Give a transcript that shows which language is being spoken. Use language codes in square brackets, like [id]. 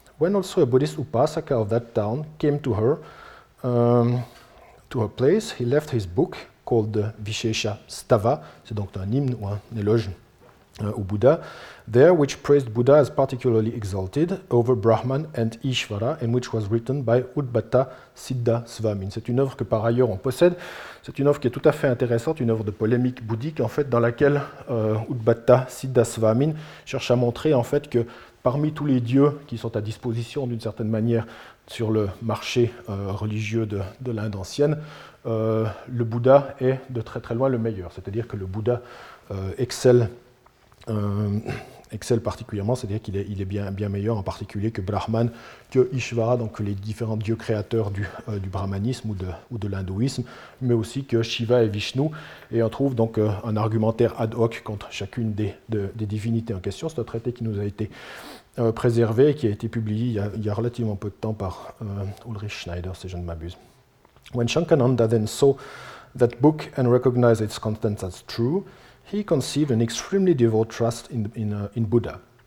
[en] When also a Buddhist upasaka of that town came to her place, he left his book called the Vishesha Stava, [fr] c'est donc un hymne ou un éloge au Bouddha, [en] there which praised Buddha as particularly exalted over Brahman and Ishvara, and which was written by Udbhatta Siddha Swamin. [fr] C'est une œuvre que par ailleurs on possède, c'est une œuvre qui est tout à fait intéressante, une œuvre de polémique bouddhique en fait, dans laquelle Udbhatta Siddha Swamin cherche à montrer en fait que parmi tous les dieux qui sont à disposition d'une certaine manière sur le marché religieux de l'Inde ancienne, le Bouddha est de très très loin le meilleur, c'est-à-dire que le Bouddha excelle particulièrement, c'est-à-dire qu'il est, bien meilleur en particulier que Brahman, que Ishvara, donc les différents dieux créateurs du brahmanisme ou de l'hindouisme, mais aussi que Shiva et Vishnu, et on trouve donc un argumentaire ad hoc contre chacune des divinités en question. C'est un traité qui nous a été préservé et qui a été publié il y a relativement peu de temps par Ulrich Schneider, si je ne m'abuse. [en] When Shankananda then saw that book and recognized its contents as true, he conceived an extremely devout trust in Buddha.